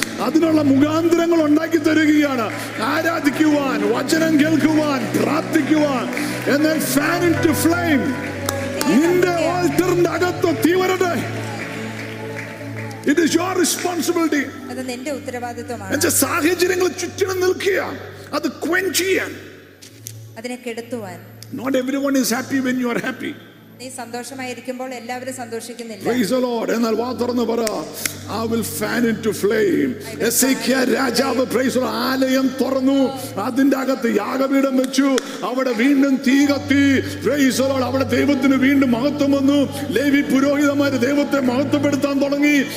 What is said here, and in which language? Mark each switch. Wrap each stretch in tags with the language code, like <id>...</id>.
<ml>അതിനുള്ള മുഖാന്തരങ്ങൾ ഉണ്ടാക്കി തരികയാണ്. ആരാധിക്കുവാൻ, വചനം കേൾക്കുവാൻ, പ്രാർത്ഥിക്കുവാൻ, എന്നാൽ</ml> <en>Fan into flame.</en> <ml>നിന്റെ ആൾട്ടറിന്റെ അകത്ത് തീ വരട്ടെ.</ml> <en>It is your responsibility.</en> <ml>നിന്റെ ഉത്തരവാദിത്വമാണ്. എന്റെ സാഹചര്യങ്ങൾ ചുറ്റിനും നിൽക്കുക, അത് ക്വെൻ ചെയ്യാൻ, അതിനെ കെടുത്തുവാൻ.</ml> <en>Not everyone is happy when you are happy.</en> <ml>നീ സന്തോഷമായിരിക്കുമ്പോൾ എല്ലാവരും സന്തോഷിക്കുന്നില്ല.</ml> <en>Praise the Lord.</en> <ml>എന്നാൽ വാതുറന്നു പറ,</ml> <en>I will fan into flame.</en> <ml>എസെക്കിയാ രാജാവ്</ml> <en>praise the Lord</en> <ml>ആലയം തുറന്നു, അതിന്റെ അകത്ത് യാഗപീഠം വെച്ചു, അവിടെ വീണ്ടും തീ കത്തി.</ml> <en>Praise the Lord.</en> <ml>അവിടെ ദൈവത്തിന് വീണ്ടും മഹത്വം വന്നു. ലേവി പുരോഹിതന്മാര് ദൈവത്തെ മഹത്വപ്പെടുത്താൻ തുടങ്ങി.</ml>